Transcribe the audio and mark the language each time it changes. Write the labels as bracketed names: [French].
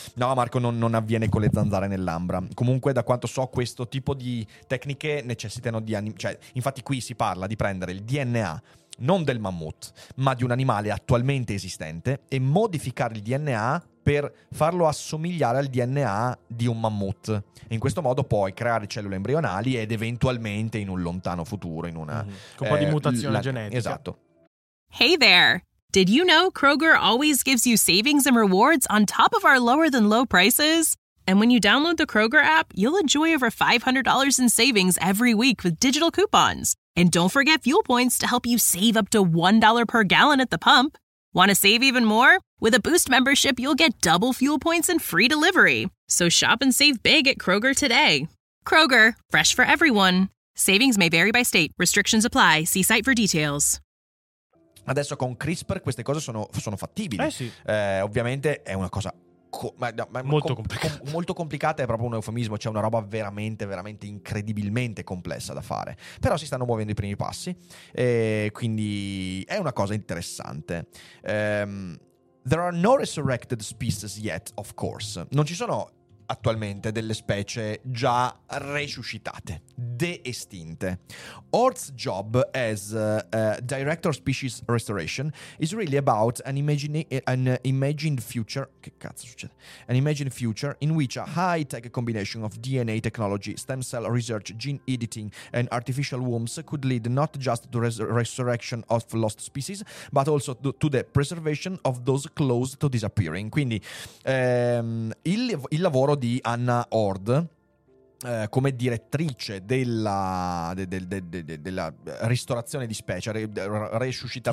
[Italian] No, Marco, non avviene con le zanzare nell'Ambra. Comunque, da quanto so, questo tipo di tecniche necessitano di cioè, infatti qui si parla di prendere il DNA non del mammut, ma di un animale attualmente esistente e modificare il DNA per farlo assomigliare al DNA di un mammut. In questo modo puoi creare cellule embrionali ed eventualmente in un lontano futuro in una con un po' di mutazione genetica. Esatto. [English] Hey there. Did you know Kroger always gives you savings and rewards on top of our lower than low prices? And when you download the Kroger app, you'll enjoy over $500 in savings every week with digital coupons. And don't forget fuel points to help you save up to $1 per gallon at the pump. Want to save even more? With a Boost membership, you'll get double fuel points and free delivery. So shop and save big at Kroger today. Kroger, fresh for everyone. Savings may vary by state. Restrictions apply. See site for details. [Italian] Adesso con CRISPR queste cose sono fattibili. Sì. Ovviamente è una cosa molto complicata, è proprio un eufemismo, c'è una roba veramente veramente incredibilmente complessa da fare, però si stanno muovendo i primi passi e quindi è una cosa interessante. [English] There are no resurrected species yet, of course. [Italian] Non ci sono attualmente delle specie già resuscitate, de-estinte. [English] Ort's job as director of species restoration is really about an imagined future in which a high-tech combination of DNA technology, stem cell research, gene editing and artificial wombs could lead not just to the resurrection of lost species, but also to the preservation of those close to disappearing. [Italian] Quindi il lavoro di Anna Ord come direttrice della ristorazione di specie resuscita